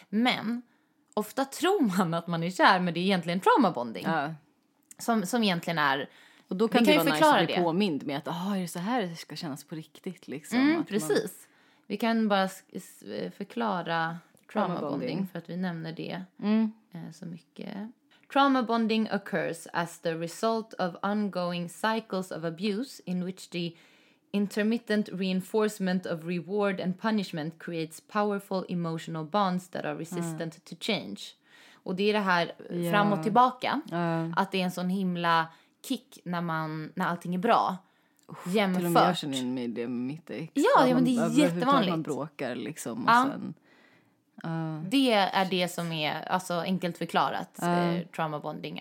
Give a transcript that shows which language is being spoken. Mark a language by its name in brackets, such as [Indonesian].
[Swedish] Men ofta tror man att man är kär, men det är egentligen trauma bonding. Ja. Som egentligen är... Och då kan det ju vara nice att bli påmind med att är det så här det ska kännas på riktigt? Liksom, precis. Vi kan bara förklara trauma bonding för att vi nämner det så mycket. [English] Trauma bonding occurs as the result of ongoing cycles of abuse in which the intermittent reinforcement of reward and punishment creates powerful emotional bonds that are resistant to change. [Swedish] Och det är det här fram och tillbaka. Att det är en sån himla... kick när allting är bra. Jämfört. Till och med jag känner in mig det med mitt ex. Ja, men det är jättevanligt. Man bråkar liksom. Och sen, det är det som är alltså, enkelt förklarat. Trauma bonding.